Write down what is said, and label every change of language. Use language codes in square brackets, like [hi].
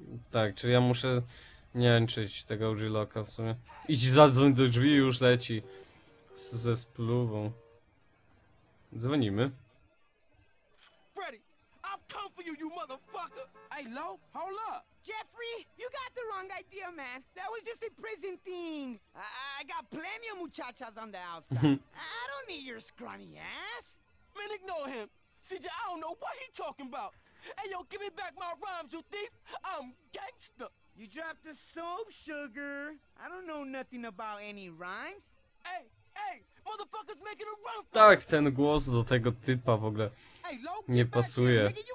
[pl] Tak, czyli ja muszę niańczyć tego OG Loka w sumie. Idź zadzwoń do drzwi i już leci ze spluwą. Dzwonimy. [en] Freddy, I've come for you, you motherfucker! Hey, Loke, hold up! Jeffrey, you got the wrong idea, man. That was just a prison thing. I got plenty of muchachas on the outside. I don't need your scrawny ass. Man, ignore him. CJ, I don't know what he's talking about. Hey, yo, give me back my rhymes, you thief. I'm gangster. You dropped the soap, sugar. I don't know nothing about any rhymes. Hey, hey, motherfuckers making a run for [pl] tak, ten głos do tego typa w ogóle nie pasuje.